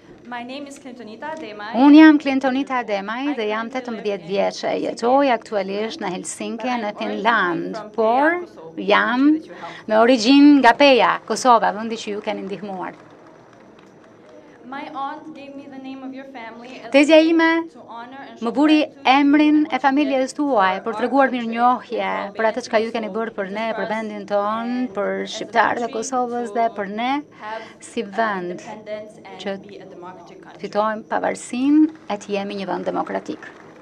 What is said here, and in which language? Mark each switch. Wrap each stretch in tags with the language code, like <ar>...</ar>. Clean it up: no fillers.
<en>My name is Clintonita Demai.</en> <sq>Unë jam Clintonita Demai dhe jam 18 vjeçë. Jetoj aktualisht në Helsinki, në Finland, por jam me origjinë nga Peja, Kosova, vendi që ju keni ndihmuar.</sq> <en>My aunt gave me the name of your family.</en> <sq>Tezja ime më buri emrin e familjes tuaj për treguar mirënjohje për atë çka ju keni bërë për ne, për vendin tonë, për shqiptarët e Kosovës dhe për ne si vend që fitojmë pavarësinë e të jemi një vend demokratik.</sq>